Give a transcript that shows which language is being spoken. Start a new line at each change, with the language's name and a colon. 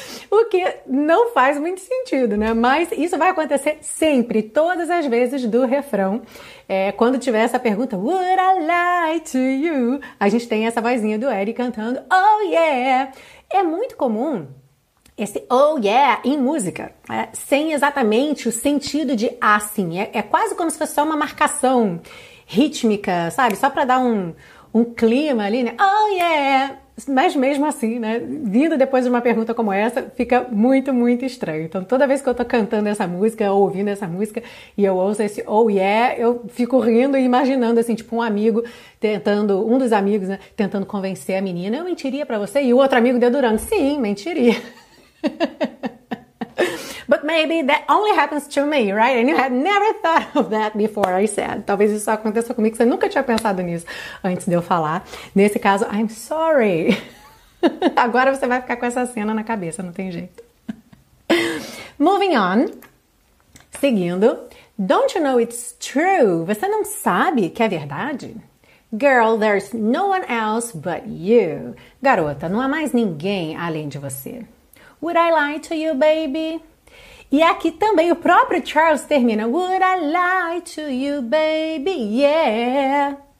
Portuguese: O que não faz muito sentido, né? Mas isso vai acontecer sempre, todas as vezes do refrão. Quando tiver essa pergunta,
English: would I lie to you?
Portuguese: A gente tem essa vozinha do Ed cantando, oh yeah. É muito comum esse oh yeah em música, sem exatamente o sentido de assim. É quase como se fosse só uma marcação rítmica, sabe? Só pra dar um clima ali, né? Oh yeah! Mas mesmo assim, né? Vindo depois de uma pergunta como essa, fica muito, muito estranho. Então, toda vez que eu tô cantando essa música, ou ouvindo essa música, e eu ouço esse oh yeah, eu fico rindo e imaginando, assim, tipo, um dos amigos, né? Tentando convencer a menina, eu mentiria pra você? E o outro amigo dedurando, sim, mentiria.
English: But maybe that only happens to me, right? And you had never thought of that before I said.
Portuguese: Talvez isso aconteça comigo, que você nunca tinha pensado nisso antes de eu falar. Nesse caso,
English: I'm sorry.
Portuguese: Agora você vai ficar com essa cena na cabeça, não tem jeito.
English: Moving on.
Portuguese: Seguindo.
English: Don't you know it's true?
Portuguese: Você não sabe que é verdade?
English: Girl, there's no one else but you.
Portuguese: Garota, não há mais ninguém além de você.
English: Would I lie to you, baby?
Portuguese: E aqui também o próprio Charles termina.
English: Would I lie to you, baby? Yeah.